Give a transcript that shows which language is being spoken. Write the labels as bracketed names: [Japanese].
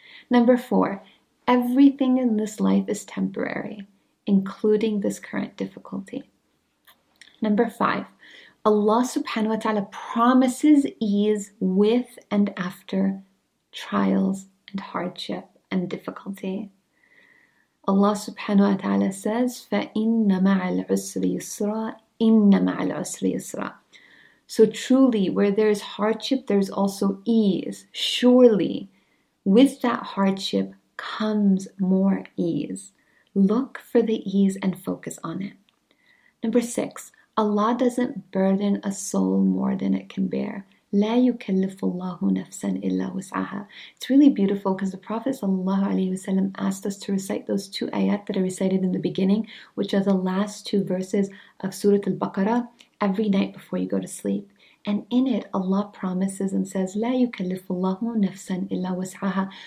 [English] Number 4, everything in this life is temporary, including this current difficulty. Number 5, Allah subhanahu wa ta'ala promises ease with and after trials and hardship and difficulty. Allah subhanahu wa ta'ala says, [Arabic] فَإِنَّ مَعَ الْعُسْرِ يُسْرًا إِنَّ مَعَ الْعُسْرِ يُسْرًا. [English] So truly, where there is hardship, there's also ease. Surely, with that hardship comes more ease. Look for the ease and focus on it. Number six, Allah doesn't burden a soul more than it can bear. [Arabic] لا يكلف الله نفسا إلا وسعها. [English] It's really beautiful because the Prophet sallallahu alaihi wasallam asked us to recite those two ayat that are recited in the beginning, which are the last two verses of Surah Al-Baqarah, every night before you go to sleep. And in it, Allah promises and says, [Arabic] لا يكلف الله نفسا إلا وسعها.